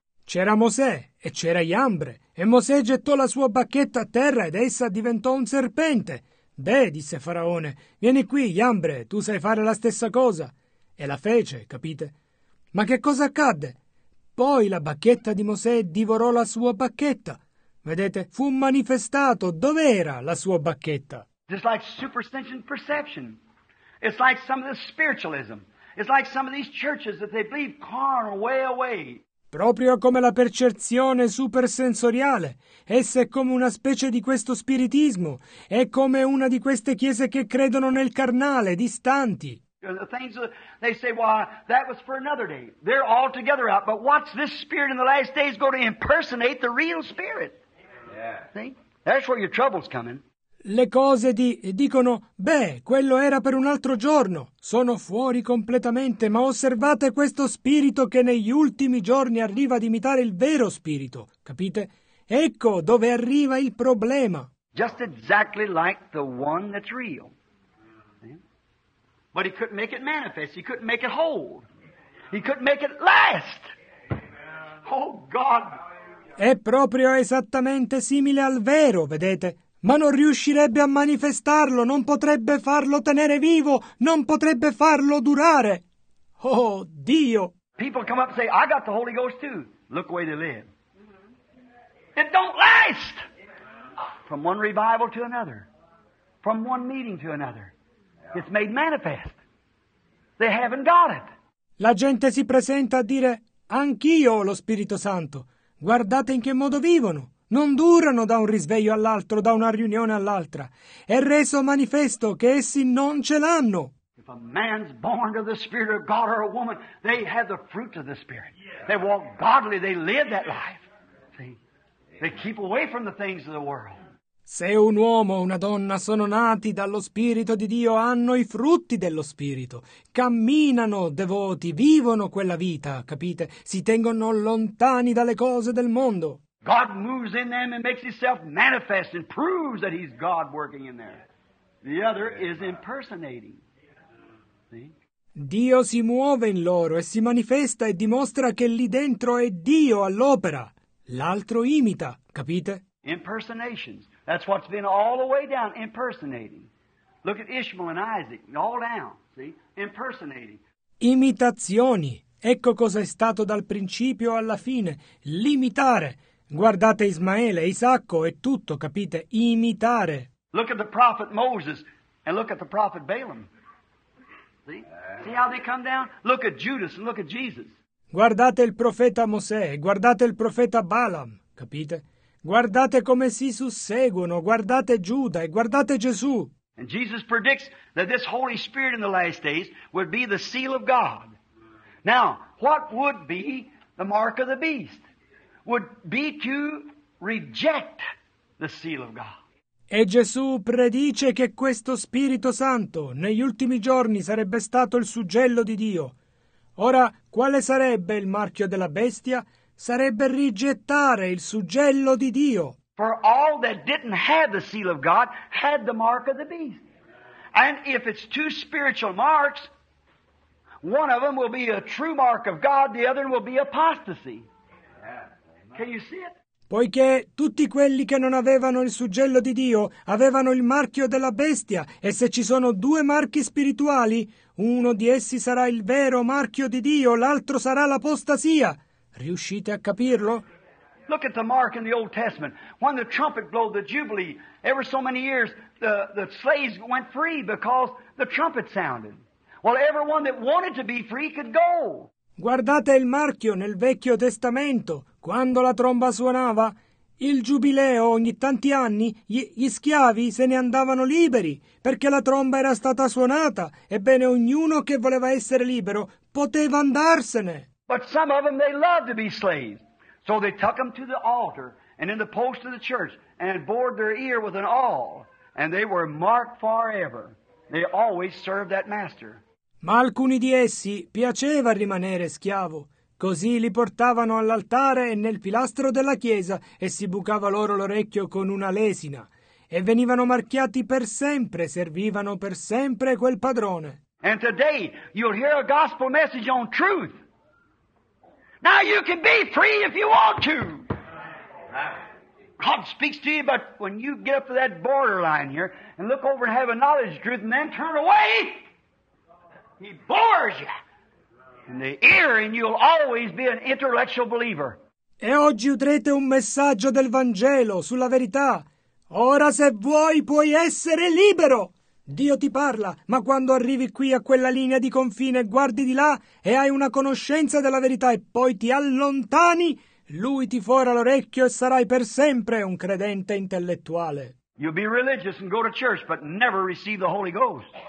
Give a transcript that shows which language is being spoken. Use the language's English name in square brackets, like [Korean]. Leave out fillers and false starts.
[Italian] C'era Mosè e c'era Iambre, e Mosè gettò la sua bacchetta a terra ed essa diventò un serpente. Beh, disse Faraone, vieni qui, Iambre, tu sai fare la stessa cosa. E la fece, capite? Ma che cosa accadde? Poi la bacchetta di Mosè divorò la sua bacchetta. Vedete, fu manifestato dov'era la sua bacchetta. [English] Just like superstition perception. It's like some of the spiritualism. It's like some of these churches that they believe carnal way away. [Italian] Proprio come la percezione supersensoriale. Essa è come una specie di questo spiritismo. È come una di queste chiese che credono nel carnale, distanti. [English] The things they say, well, that was for another day. They're all together out. But what's this spirit in the last days going to impersonate the real spirit? Yeah. See? That's where your trouble's coming. [Italian] Le cose di dicono, beh, quello era per un altro giorno. Sono fuori completamente, ma osservate questo spirito che negli ultimi giorni arriva ad imitare il vero spirito. Capite? Ecco dove arriva il problema. [English] Just exactly like the one that's real. But he couldn't make it manifest. He couldn't make it hold. He couldn't make it last. Oh, God. [Italian] È proprio esattamente simile al vero, vedete? Ma non riuscirebbe a manifestarlo, non potrebbe farlo tenere vivo, non potrebbe farlo durare. Oh, Dio! [English] People come up and say, I got the Holy Ghost too. Look where they live. It don't last! From one revival to another. From one meeting to another. It's made manifest. They haven't got it. [Italian] La gente si presenta a dire, anch'io ho lo Spirito Santo. Guardate in che modo vivono. Non durano da un risveglio all'altro, da una riunione all'altra. È reso manifesto che essi non ce l'hanno. [English] If a man's born of the Spirit of God or a woman, they have the fruit of the Spirit. They walk godly, they live that life. See? They keep away from the things of the world. [Italian] Se un uomo o una donna sono nati dallo Spirito di Dio, hanno i frutti dello Spirito. Camminano devoti, vivono quella vita, capite? Si tengono lontani dalle cose del mondo. [English] God moves in them and makes himself manifest and proves that he's God working in there. The other is impersonating. See? [Italian] Dio si muove in loro e si manifesta e dimostra che lì dentro è Dio all'opera. L'altro imita, capite? [English] Impersonations. That's what's been all the way down, impersonating. Look at Ishmael and Isaac, all down, see? Impersonating. [Italian] Imitazioni. Ecco cosa è stato dal principio alla fine. L'imitare. Guardate Ismaele, Isacco e tutto, capite? Imitare. [English] Look at the prophet Moses and look at the prophet Balaam. See how they come down? Look at Judas and look at Jesus. [Italian] Guardate il profeta Mosè, guardate il profeta Balaam, capite? Guardate come si susseguono, guardate Giuda e guardate Gesù. [English] And Jesus predicts that this Holy Spirit in the last days would be the seal of God. Now, what would be the mark of the beast? Would be to reject the seal of God. [Italian] E Gesù predice che questo Spirito Santo negli ultimi giorni sarebbe stato il suggello di Dio. Ora, quale sarebbe il marchio della bestia? Sarebbe rigettare il suggello di Dio. [English] For all that didn't have the seal of God had the mark of the beast. And if it's two spiritual marks, one of them will be a true mark of God, the other will be apostasy. Can you see it? [Italian] Poiché tutti quelli che non avevano il suggello di Dio avevano il marchio della bestia, e se ci sono due marchi spirituali, uno di essi sarà il vero marchio di Dio, l'altro sarà l'apostasia. Riuscite a capirlo? [English] Look at the mark in the Old Testament. When the trumpet blew the jubilee, ever so many years, the slaves went free because the trumpet sounded. Well, everyone that wanted to be free could go. [Italian] Guardate il marchio nel Vecchio Testamento. Quando la tromba suonava, il giubileo, ogni tanti anni, gli schiavi se ne andavano liberi, perché la tromba era stata suonata. Ebbene, ognuno che voleva essere libero poteva andarsene. [English] But some of them, they loved to be slaves. So they took them to the altar and in the post of the church and bored their ear with an awl. And they were marked forever. They always served that master. [Italian] Ma alcuni di essi piaceva rimanere schiavo. Così li portavano all'altare e nel pilastro della chiesa e si bucava loro l'orecchio con una lesina. E venivano marchiati per sempre, servivano per sempre quel padrone. [English] And today you'll hear a gospel message on truth. Now you can be free if you want to. God speaks to you, but when you get up to that borderline here and look over and have a knowledge of truth and then turn away, he bores you in the ear and you'll always be an intellectual believer. [Italian] E oggi udrete un messaggio del Vangelo sulla verità. Ora se vuoi puoi essere libero. Dio ti parla, ma quando arrivi qui a quella linea di confine, guardi di là e hai una conoscenza della verità e poi ti allontani, lui ti fora l'orecchio e sarai per sempre un credente intellettuale. [English] You'll be religious and go to church, but never receive the Holy Ghost.